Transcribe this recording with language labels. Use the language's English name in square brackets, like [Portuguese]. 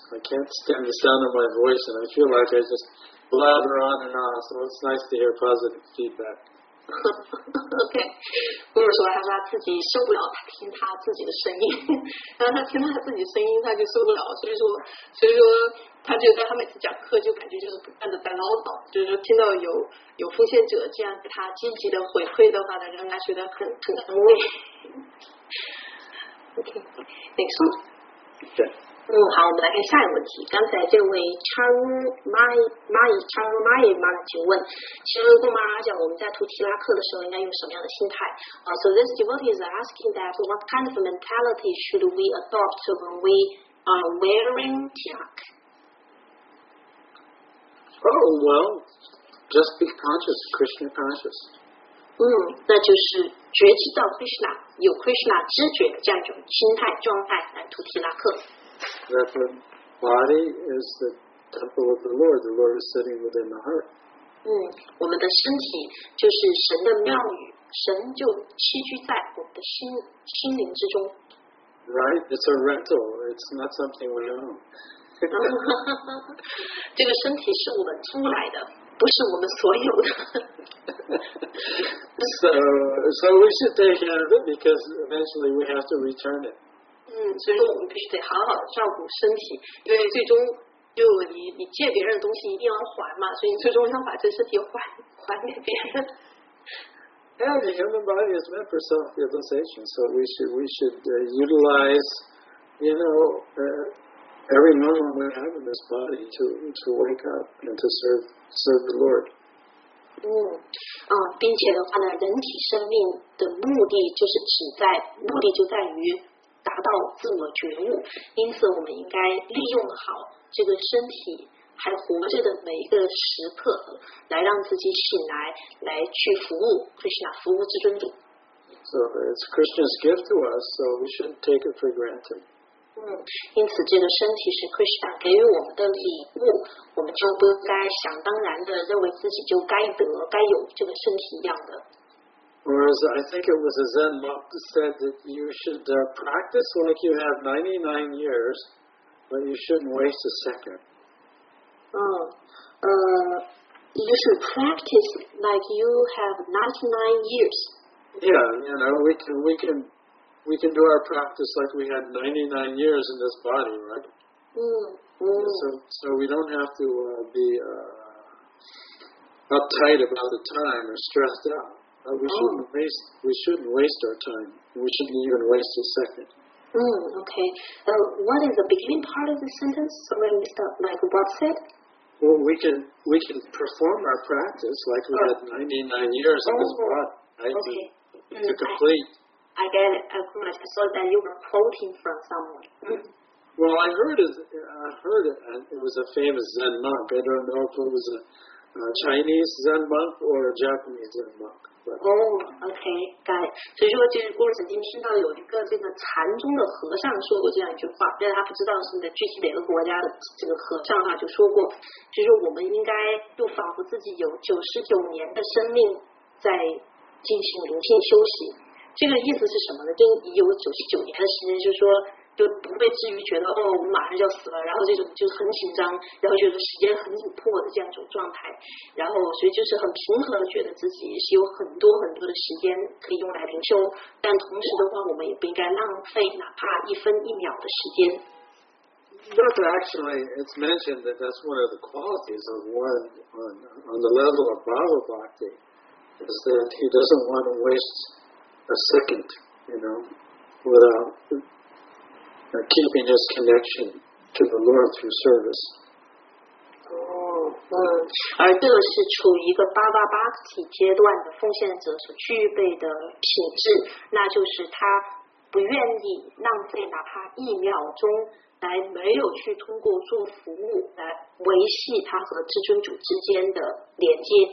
[English] I can't stand the sound of my voice, and I feel like I just blabber on and on, so it's nice to hear positive feedback. Okay. [Chinese] 或者说他说他自己受不了他听他自己的声音，然后他听到他自己声音他就受不了，所以说他觉得他每次讲课就感觉就是不断的在唠叨，就是听到有奉献者这样给他积极的回馈的话，他仍然觉得很安慰。 [English] Okay. Next one. [Chinese] 对。嗯，好，我们来看下一个问题。刚才这位 Charu Mai 请问，其实跟妈妈讲我们在读提拉课的时候应该用什么样的心态？ [English] So this devotee is asking that what kind of mentality should we adopt when we are wearing tilak? Oh, well, just be conscious, Krishna conscious. [Chinese] 那就是觉知到 Krishna, 有 Krishna 知觉这样一种心态状态来读提拉课。 [English] That the body is the temple of the Lord. The Lord is sitting within the heart. [Chinese] 我们的身体就是神的庙宇，神就栖居在我们的心灵之中。 [English] Right, it's a rental. It's not something we own. [Chinese] 这个身体是我们租来的，不是我们所有的。 [English] So we should take care of it because eventually we have to return it. [Chinese] 所以说我们必须得好好照顾身体，因为最终就你借别人的东西一定要还嘛，所以你最终要把这身体还给别人。 [English] Yeah, the human body is meant for self-realization, so we should utilize, you know. Every moment we have in this body to wake up and to serve the Lord. [Chinese] 并且的话呢，人体生命的目的就是目的就在于达到自我觉悟。因此，我们应该利用好这个身体还活着的每一个时刻，来让自己醒来，来去服务 Krishna， 服务至尊主。 [English] So it's Krishna's gift to us, so we shouldn't take it for granted. [Chinese] 因此这个身体是 Krishna 给予我们的礼物，我们就不该想当然的认为自己就该得该有这个身体一样的。 [English] Whereas I think it was a Zen monk that said that you should practice like you have 99 years, but you shouldn't waste a second. You should practice like you have 99 years. Yeah, you know, we can do our practice like we had 99 years in this body, right? So we don't have to be uptight about the time or stressed out. We shouldn't waste our time. We shouldn't even waste a second. What is the beginning part of the sentence? Sorry, like what said? Well, we can perform our practice like we had 99 years in this body, right? Okay. To complete. I get it. I saw that you were quoting from someone. Well, I heard it was a famous Zen monk. I don't know if it was a Chinese Zen monk or a Japanese Zen monk. Okay, got it. [Chinese] 所以说，就是我曾经听到有一个这个禅宗的和尚说过这样一句话，但是他不知道是在具体哪个国家的这个和尚哈，就说过，就是我们应该就仿佛自己有99年的生命在进行灵性修习。这个意思是什么呢？就你有99年的时间，就是说，就不被至于觉得哦，我马上就要死了，然后这种就很紧张，然后就是时间很紧迫的这样一种状态，然后所以就是很平和的觉得自己是有很多很多的时间可以用来灵修，但同时的话，我们也不应该浪费哪怕一分一秒的时间。 [English] But actually, it's mentioned that that's one of the qualities of one on the level of Bhava Bhakti is that he doesn't want to waste. A second, you know, without keeping his connection to the Lord through service. [Chinese] 而这个是处于一个巴巴巴提阶段的奉献者所具备的品质，那就是他不愿意浪费哪怕一秒钟，来没有去通过做服务来维系他和至尊主之间的连接。